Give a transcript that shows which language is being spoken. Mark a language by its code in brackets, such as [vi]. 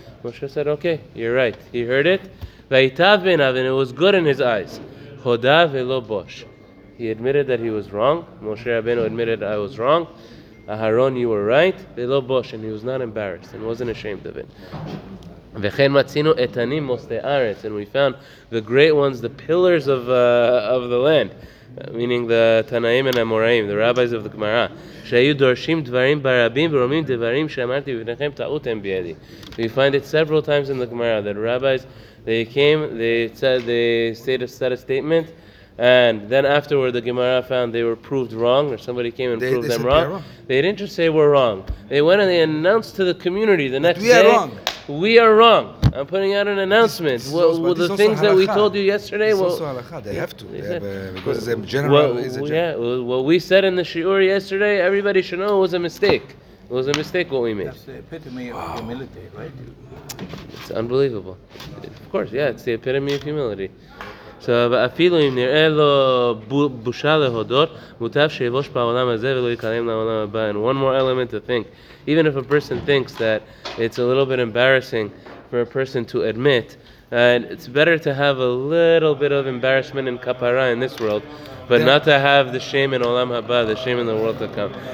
[en] Moshe said, okay, you're right. He heard it. [he] Vayitav Beinav, [en] and it was good in his eyes. [he] Choda velo bosh. [en] He admitted that he was wrong. Moshe Rabbeinu admitted I was wrong. Aharon, you were right. [he] Velo bosh, [en] and he was not embarrassed and wasn't ashamed of it. [he] וכן מצינו איתנים מוסדי ארץ, [en] and we found the great ones, the pillars of the land, [he] meaning the תנאים and המוראים, [en] the rabbis of the Gemara, [he] שהיו דורשים דברים ברבים ורומים דברים שאמרתי בפניכם טעות הם בידי. [en] We find it several times in the Gemara that rabbis, they came, they said a statement, and then afterward the Gemara found they were proved wrong, or somebody came and proved them wrong. They didn't just say we're wrong. They went and they announced to the community the next day, we are wrong. I'm putting out an announcement. The things that we told you yesterday. What we said in the shiur yesterday, everybody should know it was a mistake. It was a mistake what we made. That's the epitome of humility, right? It's unbelievable. Of course, yeah, it's the epitome of humility. [he] So, אפילו אם נראה לו בושה להודות, מוטב שיבוש בעולם הזה ולא יקלם לעולם הבא. [en] And one more element to think. Even if a person thinks that it's a little bit embarrassing for a person to admit, it's better to have a little bit of embarrassment and kapara in this world, but not to have the shame in olam haba, the shame in the world to come.